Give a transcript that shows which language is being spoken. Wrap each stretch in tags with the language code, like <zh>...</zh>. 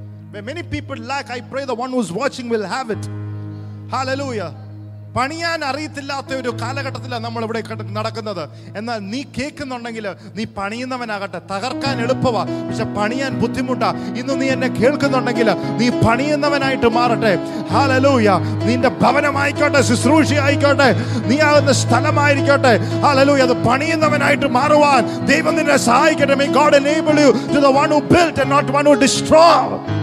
<en>Where many people lack, I pray the one who's watching will have it. Hallelujah.</en> <ml>പണിയാൻ അറിയത്തില്ലാത്ത ഒരു കാലഘട്ടത്തിലാണ് നമ്മൾ ഇവിടെ നടക്കുന്നത്. എന്നാൽ നീ കേൾക്കുന്നുണ്ടെങ്കിൽ നീ പണിയുന്നവനാകട്ടെ, തകർക്കാൻ എളുപ്പമാ പക്ഷെ പണിയാൻ ബുദ്ധിമുട്ടാ. ഇന്ന് നീ എന്നെ കേൾക്കുന്നുണ്ടെങ്കിൽ നീ പണിയുന്നവനായിട്ട് മാറട്ടെ. ഹല്ലേലൂയ. നിന്റെ ഭവനമായിക്കോട്ടെ, ശുശ്രൂഷയായിക്കോട്ടെ, നീ ആകുന്ന സ്ഥലമായിരിക്കോട്ടെ, ഹല്ലേലൂയ, അത് പണിയുന്നവനായിട്ട് മാറുവാൻ ദൈവം നിന്നെ സഹായിക്കട്ടെ.</ml> <en>May God enable you to the one who built and not one who destroyed.</en>